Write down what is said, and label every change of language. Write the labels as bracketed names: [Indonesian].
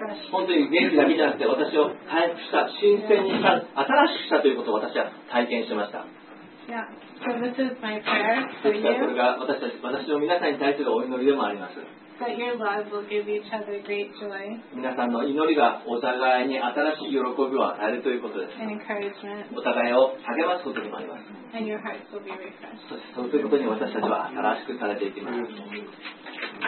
[Japanese] 本当に元気だけじゃなくて、私を回復した、新鮮にした、新しくしたということを私は体験しました。それが私たち、私の皆さんに対するお祈りでもあります。 [English] That your love will give each other great joy. [Japanese] 皆さんの祈りがお互いに新しい喜びを与えるということです。 [English] And encouragement. [Japanese] お互いを励ますこともあります。 [English] And your hearts will be refreshed. [Japanese] そしてそういうことに私たちは新しくされていきます。